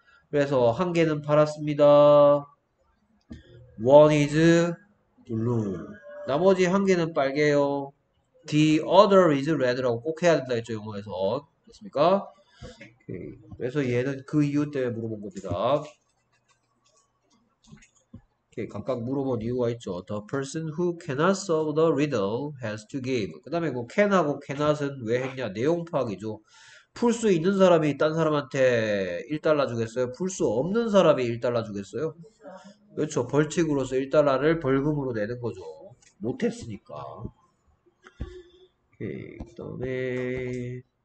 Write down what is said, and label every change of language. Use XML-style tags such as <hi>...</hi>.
<ko>그래서 한 개는 팔았습니다. One is 나머지 한 개는 빨개요. The other is red 라고 꼭 해야 된다 했죠, 영어에서. 됐습니까? 그래서 얘는 그 이유 때문에 물어본 겁니다. 각각 물어본 이유가 있죠.</ko> <en>The person who cannot solve the riddle has to give.</en> <ko>그 다음에 뭐 can하고 cannot은 왜 했냐? 내용 파악이죠. 풀수 있는 사람이 딴 사람한테 1달러 주겠어요? 풀수 없는 사람이 1달러 주겠어요? 그렇죠. 벌칙으로서 1달러를 벌금으로 내는 거죠. 못했으니까. 오케이.</ko>